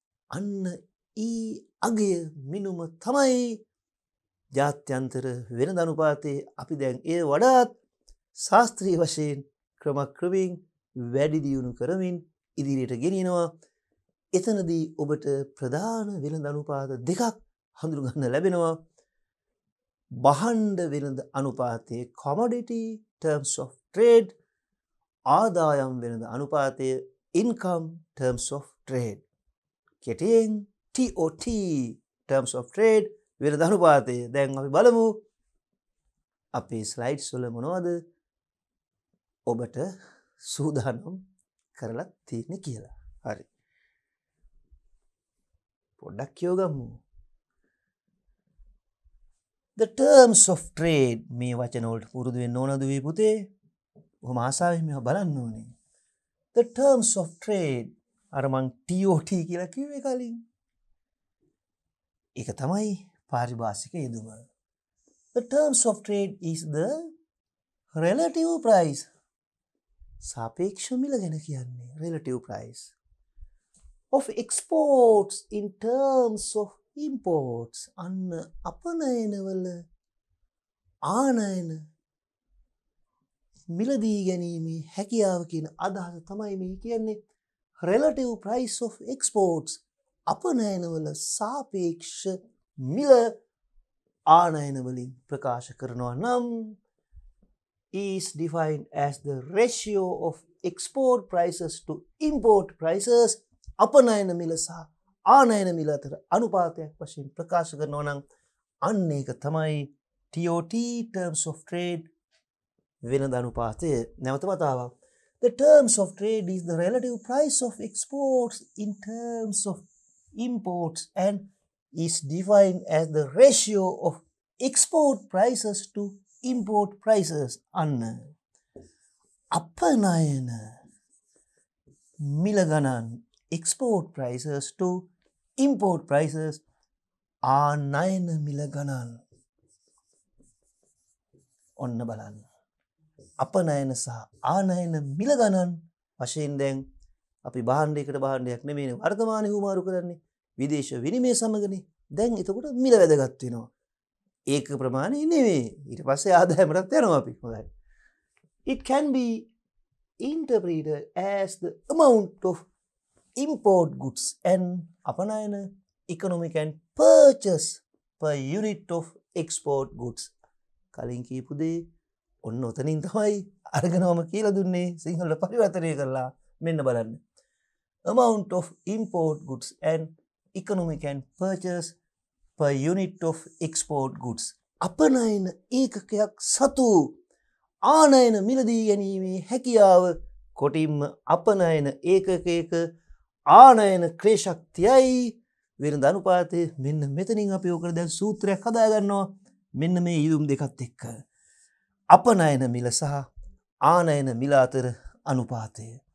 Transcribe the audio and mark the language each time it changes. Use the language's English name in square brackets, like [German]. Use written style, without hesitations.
[Sinhala] අන්න ඊ අගය මිනුම තමයි ජාත්‍යන්තර වෙළඳනුපාතයේ. අපි දැන් ඒ වඩාත් ශාස්ත්‍රීය වශයෙන් ක්‍රමක්‍රමයෙන් වැඩි දියුණු කරමින් ඉදිරියට ගෙනියනවා. එතනදී ඔබට ප්‍රධාන වෙළඳනුපාත දෙකක් හඳුනගන්න ලැබෙනවා. භාණ්ඩ වෙළඳ අනුපාතයේ [English] commodity terms of trade, [Sinhala] ආදායම් වෙළඳ අනුපාතයේ [English] income terms of trade. [Sinhala] කෙටියෙන් TOT [English] terms of trade [Sinhala] වෙළඳ අනුපාතය. දැන් අපි බලමු අපේ ස්ලයිඩ්ස් වල මොනවද ඔබට සූදානම් කරලා තියෙන්නේ කියලා. හරි, පොඩ්ඩක් කියවගමු. [English] The terms of trade [Sinhala] මේ වචන වලට පුරුදු වෙන්න ඕනද වී පුතේ? බොහොම ආසාවෙන් මේවා බලන්න ඕනේ. [English] The terms of trade [Sinhala] අර මං TOT කියලා කිව්වේ කලින්, ඒක තමයි පාරිභාෂික යෙදුම. [English] The terms of trade is the relative price. [Sinhala] සාපේක්ෂ මිල ගැන කියන්නේ [English] relative price of exports in terms of imports. [Sinhala] අන්න අපනයනවල ආනයන මිලදී ගැනීමේ හැකියාව කියන අදහස තමයි මේ කියන්නේ [English] relative price of exports. [Sinhala] අපනයනවල සාපේක්ෂ මිල ආනයනවලින් ප්‍රකාශ කරනවා නම් [English] is defined as the ratio of export prices to import prices. [Sinhala] අපනයන මිල සහ ආනයන මිල අතර අනුපාතයක් වශයෙන් ප්‍රකාශ කරනවා නම් අන්න ඒක තමයි TOT [English] terms of trade [Sinhala] වෙළඳ අනුපාතය. නැවත වතාවක්, [English] the terms of trade is the relative price of exports in terms of imports and is defined as the ratio of export prices to import prices. [Sinhala] අන්න අපනයන මිල ගණන් [English] export prices to import prices [Sinhala] ආනයන මිල ගණන්. ඔන්න බලන්න, අපනයන සහ ආනයන මිල ගණන් වශයෙන් දැන් අපි භාණ්ඩයකට භාණ්ඩයක් නෙමෙයි වර්තමාන හුවමාරු කරන්නේ විදේශ විනිමය සමගනේ. දැන් එතකොට මිල වැදගත් වෙනවා. ඒක ප්‍රමාණය නෙවෙයි, ඊට පස්සේ ආදායමටත් යනවා අපි. [English] හොඳයි, it can be interpreted as the amount of import goods and [Sinhala] අපනයන [English] economic and purchase per unit of export goods. [Sinhala] කලින් කියපු දේ ඔන්න ඔතනින් තමයි අරගෙනම කියලා දුන්නේ සිංහල පරිවර්තනය කරලා. මෙන්න බලන්න, [English] amount of import goods and economic and purchase per unit of export goods. [Sinhala] අපනයන ඒකකයක් සතු ආනයන මිලදී ගැනීමේ හැකියාව කොටින්ම අපනයන ඒකකයක ආනයන ක්‍රය ශක්තියයි වෙළඳ අනුපාතය. මෙන්න මෙතනින් අපි ඕකට දැන් සූත්‍රයක් හදා ගන්නවා. මෙන්න මේ ඉදුම් දෙකත් එක්ක අපනයන මිල සහ ආනයන මිල අතර අනුපාතය.